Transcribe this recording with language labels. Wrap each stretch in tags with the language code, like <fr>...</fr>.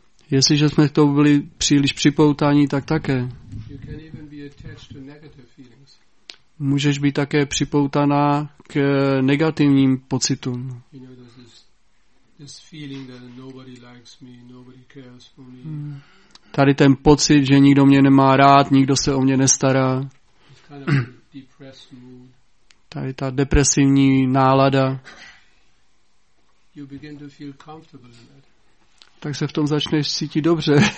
<cs>Jestliže jsme to byli příliš připoutaní, tak také.</cs> <en>You can even be attached to negative feelings.</en> <cs>Můžeš být také připoutaná k negativním pocitům.</cs> <en>You know, this feeling that nobody likes me, nobody cares for me.</en> <cs>Tady ten pocit, že nikdo mě nemá rád, nikdo se o mě nestará.</cs> <en>It's kind of a depressed mood.</en> <cs>Tady ta depresivní nálada.</cs> <en>You begin to feel comfortable in that.</en> <cs>Tak se v tom začneš cítit dobře.</cs>